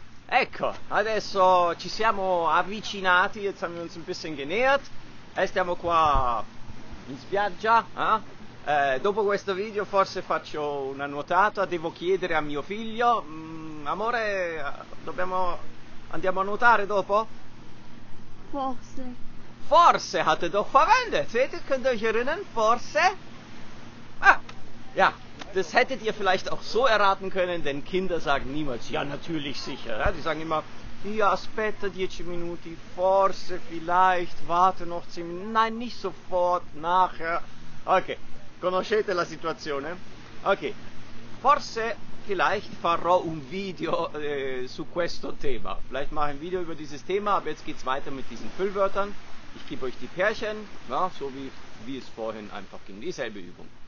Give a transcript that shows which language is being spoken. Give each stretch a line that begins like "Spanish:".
Italian: Ecco, adesso ci siamo avvicinati,
German: jetzt haben wir uns ein bisschen genähert.
Italian: Stiamo qua in spiaggia, eh? Dopo questo video forse faccio una nuotata, devo chiedere a mio figlio. Amore, andiamo a nuotare dopo? Forse.
German: Forse, hatte doch verwendet, seht ihr, könnt euch erinnern, forse? Ja. Das hättet ihr vielleicht auch so erraten können, denn Kinder sagen niemals, ja, natürlich, sicher. Ja? Die sagen immer, ja, aspetta 10 Minuten, forse, vielleicht, warte noch 10 Minuten, nein, nicht sofort, nachher.
Italian: Okay, conoscete la situazione? Okay, forse, vielleicht farò un video su questo tema.
German: Vielleicht mache ich ein Video über dieses Thema, aber jetzt geht's weiter mit diesen Füllwörtern. Ich gebe euch die Pärchen, ja, so wie es vorhin einfach ging, dieselbe Übung.